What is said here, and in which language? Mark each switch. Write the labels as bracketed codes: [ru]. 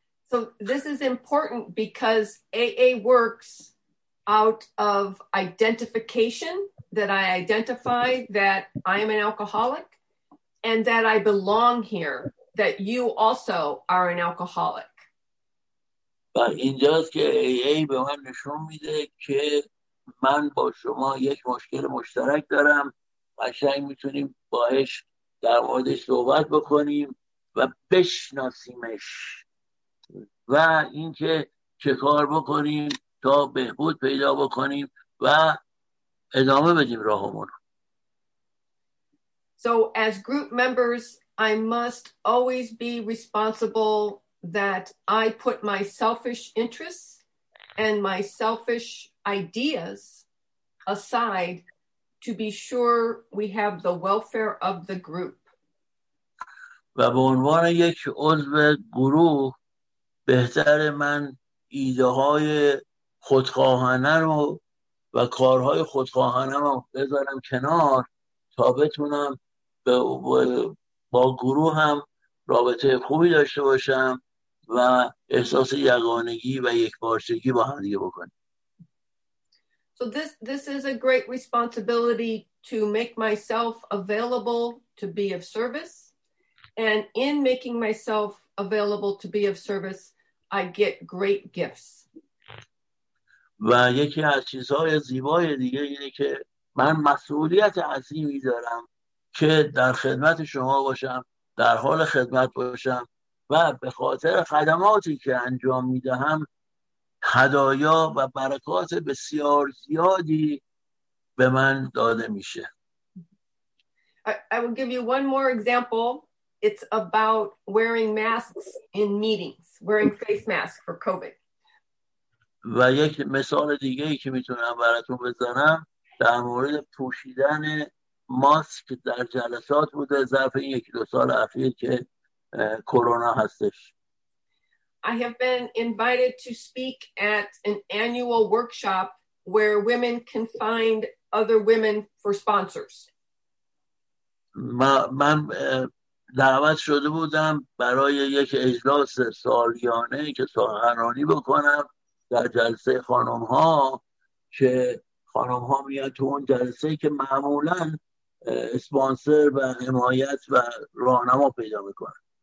[en] So this is important because AA works out of identification, that I identify that I am an alcoholic and that I belong here, that you also are an alcoholic. [fa] و اینجاست که AA به من نشون میده که من با شما یک مشکل مشترک دارم، قشنگ میتونیم باهاش در موردش صحبت بکنیم و بشناسیمش و اینکه چه کار بکنیم تا بهبود پیدا بکنیم و ادامه بدیم راهمون. [en] So as group members I must always be responsible that I put my selfish interests and my selfish ideas aside to be sure we have the welfare of the group. [fa] و به عنوان یک عضو گروه بهتر من ایده های خودخواهانه رو و کارهای خودخواهانه رو بذارم کنار تا بتونم با گروه هم رابطه خوبی داشته باشم و احساس یگانگی و یکپارچگی با هم دیگه بکنیم. [en] So this is a great responsibility to make myself available to be of service, and in making myself available to be of service I get great gifts. [fa] و یکی از چیزهای زیبای دیگه اینه که من مسئولیت عظیمی دارم که در خدمت شما باشم، در حال خدمت باشم و به خاطر خدماتی که انجام میدهم هدایا و برکات بسیار زیادی به من داده میشه. [en] I will give you one more example. It's about wearing masks in meetings, wearing face masks for COVID. [fa] و یک مثال دیگه ای که میتونم براتون بزنم در مورد پوشیدن ماسک در جلسات بوده ظرف این یک دو سال اخیر که کرونا هستش. [en] I have been invited to speak at an annual workshop where women can find other women for sponsors. [fa] من دعوت شده بودم برای یک اجلاس سالیانه که سخنرانی بکنم در جلسه خانم ها، که خانم ها میان تو اون جلسه که معمولا اسپانسر و حمایت و راهنما پیدا میکنن.